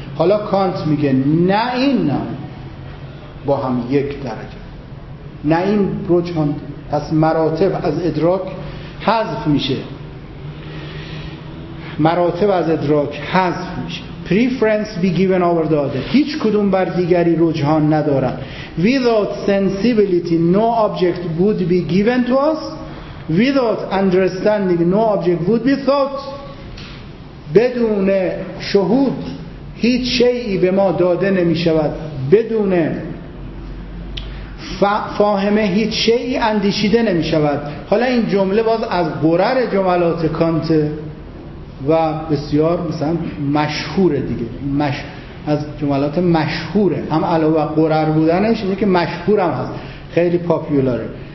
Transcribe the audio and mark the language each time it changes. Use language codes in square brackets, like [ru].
[fa] حالا کانت میگه نه، این نه، با هم یک درجه، نه این رجحان. پس مراتب از ادراک حذف میشه، مراتب از ادراک حذف میشه. [en] Preference be given over the other. [fa] هیچ کدوم بر دیگری رجحان ندارن. [en] Without sensibility, no object would be given to us. Without understanding, no object would be thought. [fa] بدون شهود هیچ شیئی به ما داده نمی شود. بدون فاهمه هیچ شیعی اندیشیده نمی شود. حالا این جمله باز از برر جملات کانت و بسیار مثلا مشهوره دیگه، از جملات مشهوره، هم علاوه قرر بودنش اینه که مشهور هم هست، خیلی پاپیولاره.